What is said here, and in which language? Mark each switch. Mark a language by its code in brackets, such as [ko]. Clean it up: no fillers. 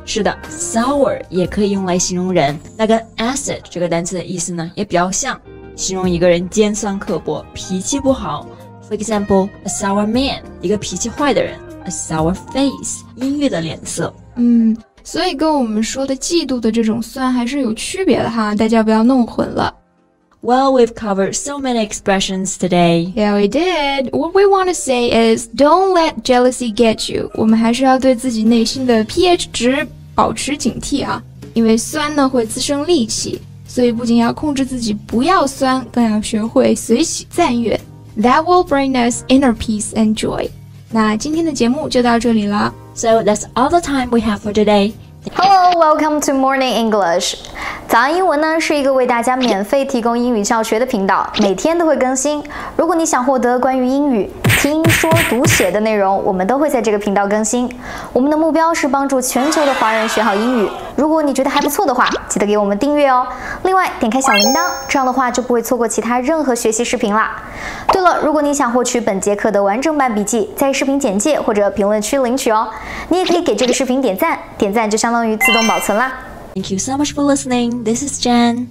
[zh] 是的， sour 也可以用来形容人，那跟 acid 这个单词的意思呢也比较像，形容一个人尖酸刻薄，脾气不好。 [en] For example, a sour man, [zh] 一个脾气坏的人。 [en] A sour face, [zh] 阴郁的脸色。所以跟我们说的嫉妒的这种酸还是有区别的哈，大家不要弄混了。 [en] Well, we've covered so many expressions today. Yeah, we did. What we want to say is, don't let jealousy get you. [zh] 我们还是要对自己内心的 pH 值保持警惕啊，因为酸呢会滋生戾气，所以不仅要控制自己不要酸，更要学会随喜赞悦。 [en] That will bring us inner peace and joy. [zh] 那今天的节目就到这里了。 [en] So that's all the time we have for today. Hello, welcome to Morning English. [zh] 早安英文呢是一个为大家免费提供英语教学的频道，每天都会更新。如果你想获得关于英语听说读写的内容，我们都会在这个频道更新。我们的目标是帮助全球的华人学好英语。如果你觉得还不错的话，记得给我们订阅哦。另外，点开小铃铛，这样的话就不会错过其他任何学习视频啦。对了，如果你想获取本节课的完整版笔记，在视频简介或者评论区领取哦。你也可以给这个视频点赞，点赞就相当于自动保存啦。 [en] Thank you so much for listening. This is Jen.